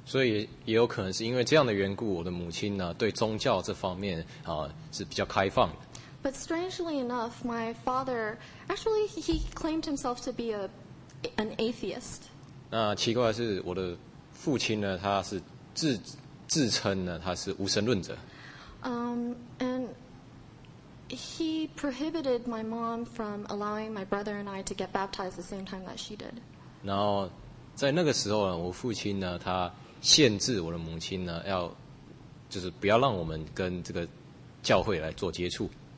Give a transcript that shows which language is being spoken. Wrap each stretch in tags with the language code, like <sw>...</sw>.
<zh>所以也有可能是因为这样的缘故，我的母亲呢对宗教这方面是比较开放的。</zh> <en>But strangely enough, my father actually he claimed himself to be an atheist.</en> <zh>那奇怪的是，我的父亲呢，他是自称呢他是无神论者。</zh> <en>And he prohibited my mom from allowing my brother and I to get baptized the same time that she did.</en> <zh>然后在那个时候呢，我父亲呢，他限制我的母亲呢，要就是不要让我们跟这个教会来做接触。</zh>